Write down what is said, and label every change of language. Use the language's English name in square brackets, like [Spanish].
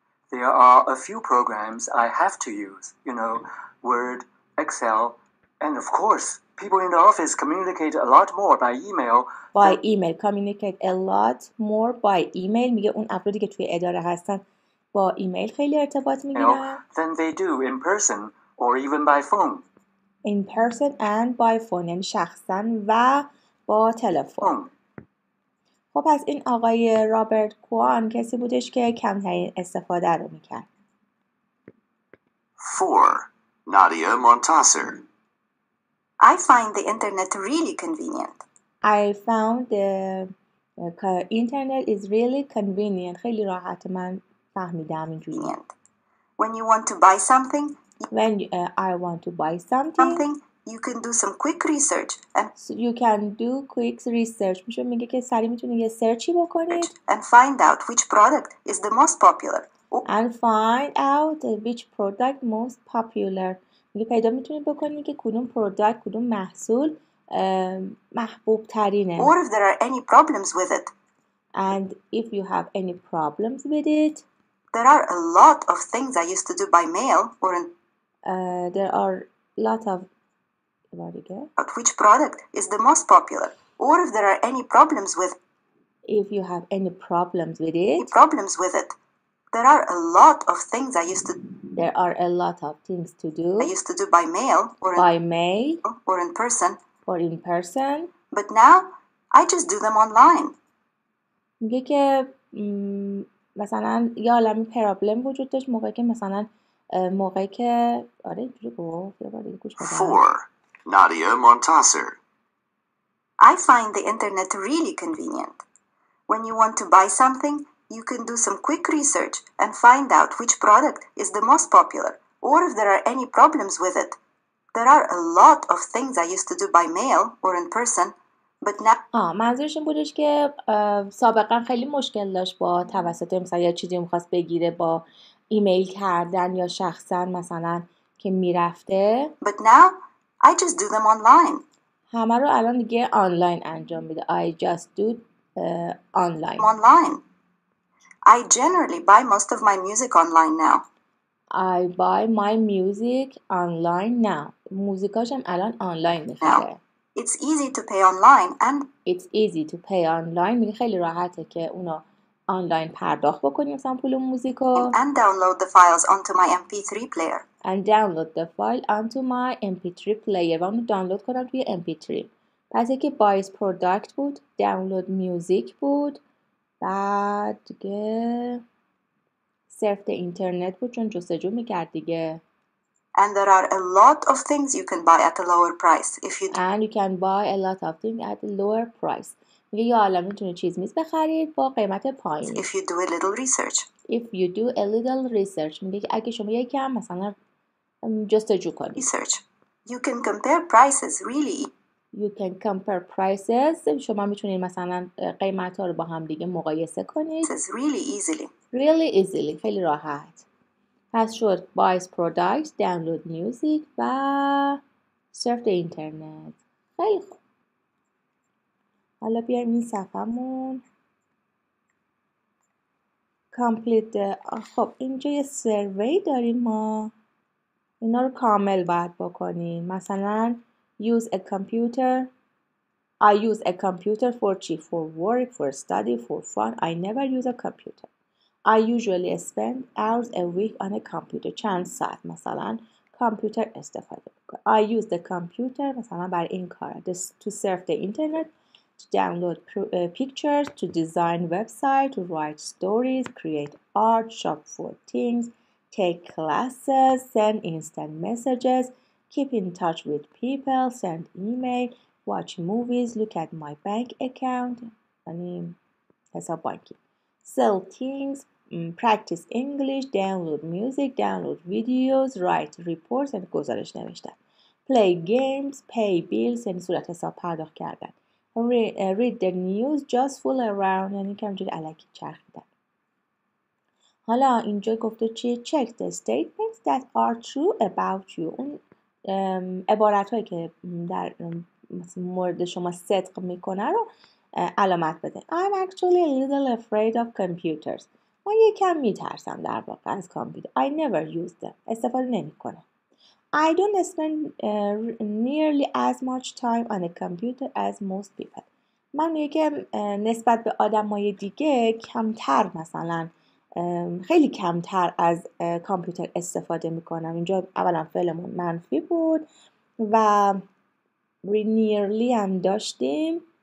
[English] There are a few programs I have to use, you know, Word, Excel, and of course, people in the office communicate a lot more by email. By email, communicate a lot more by email. [Persian] میگه اون افرادی که توی اداره هستن با ایمیل خیلی ارتباط میگیرن. [English] Than they do in person or even by phone. In person and by phone, [Persian] یعنی شخصاً و با تلفن. خب از این آقای رابرت کوان کسی بودش که کمترین استفاده رو میکرد. [English] 4. Nadia Montasser. I find the internet really convenient. I found the internet is really convenient. [Persian] خیلی راحت من فهمیدم اینجوری. [English] When you want to buy something, when I want to buy something, you can do some quick research. So you can do quick research. [Persian] میشه میگه که سریع میتونی یه سرچی بکنید. [English] And find out which product is the most popular. And find out which product most popular. [Persian] میگه پیدا میتونید بکنید که کدوم پروداکت، کدوم محصول محبوب ترینه. [English] Or if there are any problems with it. And if you have any problems with it. There are a lot of things I used to do by mail or in... There are a lot of... What do you get? But which product is the most popular? Or if there are any problems with... If you have any problems with it. Any problems with it. There are a lot of things I used to... There are a lot of things to do. I used to do by mail or... By mail. Or in person. Or in person. But now, I just do them online. [Persian] میگه که مثلا یه عالمی پرابلم وجود داشت موقعی که مثلا موقعی که آره اینجوری گفت یه بار دیگه گوش بده. [English] 4. Nadia Montasser. I find the internet really convenient. When you want to buy something, you can do some quick research and find out which product is the most popular or if there are any problems with it. There are a lot of things I used to do by mail or in person. But now... [Persian] آه منظورش این بودش که سابقا خیلی مشکل داشت با توسط مثلا یا چیزی میخواست بگیره با ایمیل کردن یا شخصا مثلا که میرفته. [English] But now I just do them online. [Persian] همه رو الان دیگه آنلاین انجام میده. [English] I just do online. Online. I generally buy most of my music online now. I buy my music online now. [Persian] موزیکاشم الان آنلاین میخره. [English] It's easy to pay online and it's easy to pay online. [Persian] میگه خیلی راحته که اونو آنلاین پرداخت بکنیم مثلا پول موزیکو. [English] And download the files onto my MP3 player. And download the file onto my MP3 player. [Persian] و اونو دانلود کنم توی MP3. پس اینکه [English] buys product [Persian] بود، [English] download music [Persian] بود، بعد دیگه صرف اینترنت بود چون جستجو میکرد دیگه. [English] And there are a lot of things you can buy at a lower price if you. And you can buy a lot of things at a lower price. [Persian] میگه یه عالمه میتونی چیز میز بخرید با قیمت پایین. [English] If you do a little research. If you do a little research. [Persian] میگه اگه شما یکم مثلا جستجو کنید. [English] Research. You can compare prices really. You can compare prices. [Persian] شما میتونید مثلا قیمت ها رو با هم دیگه مقایسه کنید. [English] It's really easily. Really easily. [Persian] خیلی راحت. پس شد [English] buys products, download music [Persian] و [English] surf the internet. [Persian] خیلی خوب. حالا بیایم این صفحمون [English] complete the... [Persian] خب اینجا یه survey داریم ما. اینا رو کامل باید بکنیم. مثلا [English] use a computer. I use a computer for [Persian] چی؟ [English] For work, for study, for fun. I never use a computer. I usually spend hours a week on a computer. [Persian] چند ساعت مثلا کامپیوتر استفاده میکنم. [English] I use the computer [Persian] مثلا برای این کار. [English] This, to surf the internet, to download pictures, to design website, to write stories, create art, shop for things, take classes, send instant messages, keep in touch with people, send email, watch movies, look at my bank account. [Persian] یعنی حساب بانکی. [English] Sell things, practice English, download music, download videos, write reports and [Persian] گزارش نوشتن. [English] Play games, pay bills, [Persian] یعنی صورت حساب پرداخت کردن. [English] Read the news, just fool around, [Persian] یعنی کمجوری علکی چرخیدن. حالا اینجا گفته چی؟ [English] Check the statements that are true about you. [Persian] اون عبارت هایی که در مورد شما صدق میکنه رو علامت بده. [English] I'm actually a little afraid of computers. [Persian] من یه کم میترسم در واقع از کامپیوتر. [English] I never use them. [Persian] استفاده نمی کنم. [English] I don't spend nearly as much time on a computer as most people. [Persian] من یه کم نسبت به آدمای دیگه کمتر مثلا خیلی کمتر از کامپیوتر استفاده می کنم. اینجا اولا فعلمون منفی بود و nearly هم داشتیم.